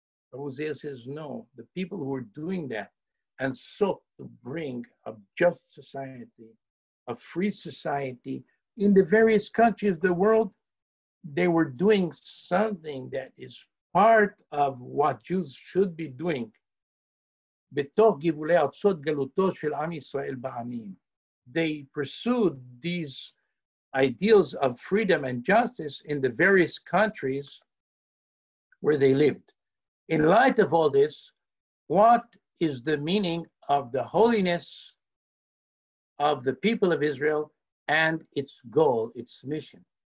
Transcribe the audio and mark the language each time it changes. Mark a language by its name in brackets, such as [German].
[English] But Uziel says, no, the people who were doing that and sought to bring a just society, a free society in the various countries of the world, they were doing something that is part of what Jews should be doing. [Hebrew] בתוך גבולי ארצות גלותו של עם ישראל בעמים. [English] They pursued these ideals of freedom and justice in the various countries where they lived. In light of all this, what is the meaning of the holiness of the people of Israel and its goal, its mission?